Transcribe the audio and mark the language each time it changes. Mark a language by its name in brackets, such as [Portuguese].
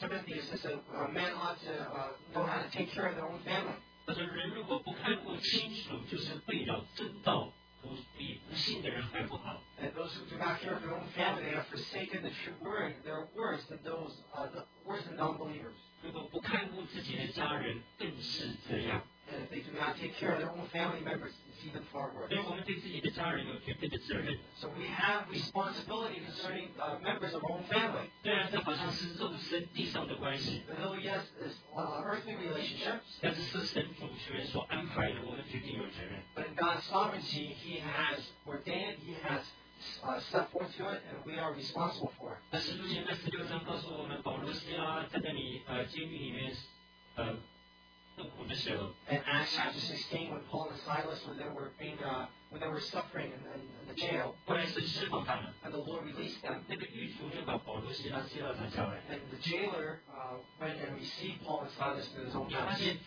[English] Timothy says that men ought to know how to take care of their own family. [Chinese] 他说：“人如果不看顾清楚，就是背了正道，比不信的人还不好。” [English] And those who do not care for their own family have forsaken the true word. They're worse than those non-believers. [Chinese] 如果不看顾自己的家人，更是这样。 [English] And if they do not take care of their own family members, it's even far worse. [Chinese] 所以我们对自己的家人有绝对的责任。 [English] So we have responsibility concerning members of our own family. [Chinese] 虽然这好像是肉身地上的关系。 [English] Although yes, it's earthly relationships. [Chinese] 但是是神主权所安排的，我们绝对有责任。 [English] But in God's sovereignty, He has ordained, He has set forth to it, and we are responsible for it. [Chinese] 但是路加十六章告诉我们，保罗、希拉在那里监狱里面 [English] And Acts chapter 16, when Paul and Silas when they were suffering in the jail, and the Lord released them. And the jailer went and received Paul and Silas to his own house.